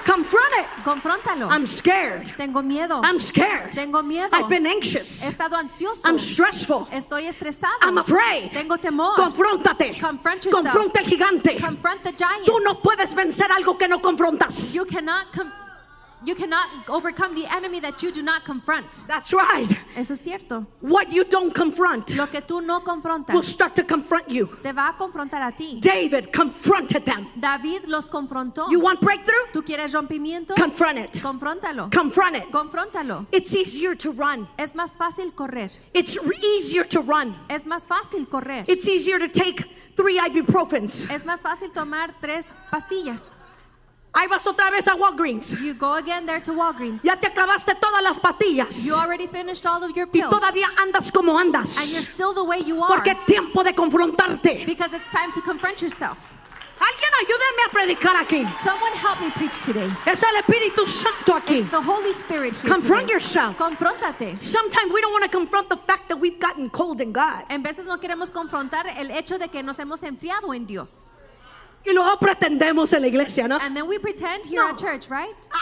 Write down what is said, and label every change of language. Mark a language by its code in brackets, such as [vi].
[en] Confront it. [es] Confróntalo. [en] I'm scared. [es] Tengo miedo. [en] I'm scared. [es] Tengo miedo. [en] I've been anxious. [es] He estado ansioso. [en] I'm stressful. [es] Estoy estresado. [en] I'm afraid. [es] Tengo temor. Confróntate. [en] Confront yourself. [es] Confronta el gigante. [en] Confront the giant. [es] Tú no puedes vencer algo que no confrontas. [en] You cannot overcome the enemy that you do not confront. That's right. [es] Eso es cierto. [en] What you don't confront, [es] lo que tú no confrontas, [en] will start to confront you. [es] Te va a confrontar a ti. [en] David confronted them. [es] David los confrontó. [en] You want breakthrough? [es] Tú quieres rompimiento? [en] Confront it. [es] Confróntalo. [en] Confront it. [es] Confróntalo. [en] It's easier to run. [es] Es más fácil correr. [en] It's easier to run. [es] Es más fácil correr. [en] It's easier to take 3 ibuprofens. [es] Es más fácil tomar 3 pastillas. Ahí vas otra vez a Walgreens. [en] You go again there to Walgreens. [es] Ya te acabaste todas las pastillas. [en] You already finished all of your pills. [es] Y todavía andas como andas. [en] And you're still the way you are. [es] Porque es tiempo de confrontarte. [en] Because it's time to confront yourself. [es] Alguien ayúdeme a predicar aquí. [en] Someone help me preach today. [es] Es el Espíritu Santo aquí. [en] It's the Holy Spirit here. Confront today. Yourself. [es] Confróntate. [en] Sometimes we don't want to confront the fact that we've gotten cold in God. [es] En veces no queremos confrontar el hecho de que nos hemos enfriado en Dios. Y luego pretendemos en la iglesia, ¿no? [en] And then we pretend here at church, right?